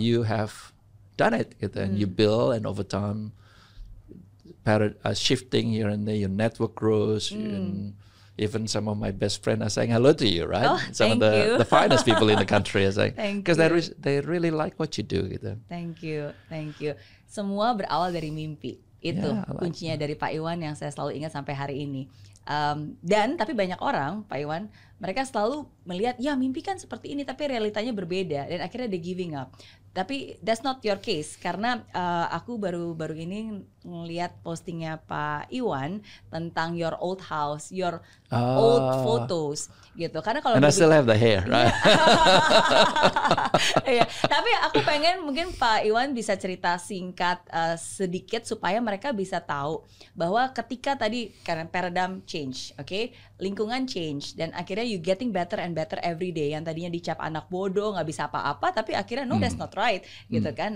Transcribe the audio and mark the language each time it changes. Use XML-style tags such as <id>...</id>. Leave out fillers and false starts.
<en>You have done it gitu. And you build and over time shifting here and there, your network grows and even some of my best friends are saying hello to you, right? Oh, some of the finest people in the country are saying, because they really like what you do gitu. Thank you.</en> <id>Semua berawal dari mimpi. Itu yeah, kuncinya dari Pak Iwan yang saya selalu ingat sampai hari ini. Dan tapi banyak orang, Pak Iwan, mereka selalu melihat, ya mimpi kan seperti ini, tapi realitanya berbeda. Dan akhirnya</id> <en>they giving up.</en> <id>Tapi</id> <en>that's not your case.</en> <id>Karena aku baru-baru ini ngelihat postingnya Pak Iwan tentang</id> <en>your old house, your old photos</en> <id>gitu. Karena kalau</id> <en>and I still have the hair, right? yeah.</en> <id>Tapi aku pengen mungkin Pak Iwan bisa cerita singkat sedikit supaya mereka bisa tahu bahwa ketika tadi karena paradigm change, oke? Okay? Lingkungan</id> <en>change</en> <id>dan akhirnya</id> <en>you getting better and better every day.</en> <id>Yang tadinya dicap anak bodoh, enggak bisa apa-apa, tapi akhirnya</id> <en>no that's not right,</en> <id>gitu kan?</id>